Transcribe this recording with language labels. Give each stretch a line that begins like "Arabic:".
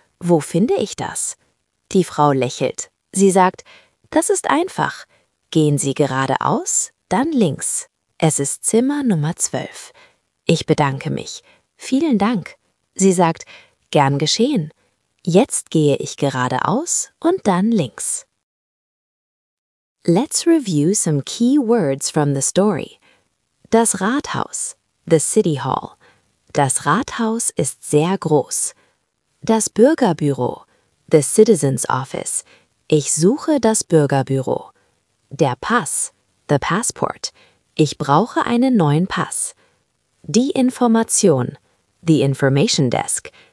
German: Wo finde ich das? Die Frau lächelt. Sie sagt, das ist einfach. Gehen Sie geradeaus, dann links. Es ist Zimmer Nummer 12. Ich bedanke mich. Vielen Dank. Sie sagt, gern geschehen. Jetzt gehe ich geradeaus und dann links.
English: Let's review some key words from the story.
German: Das Rathaus,
English: the city hall.
German: Das Rathaus ist sehr groß. Das Bürgerbüro,
English: the citizen's office.
German: Ich suche das Bürgerbüro. Der Pass,
English: the passport.
German: Ich brauche einen neuen Pass. Die Information,
English: the information desk.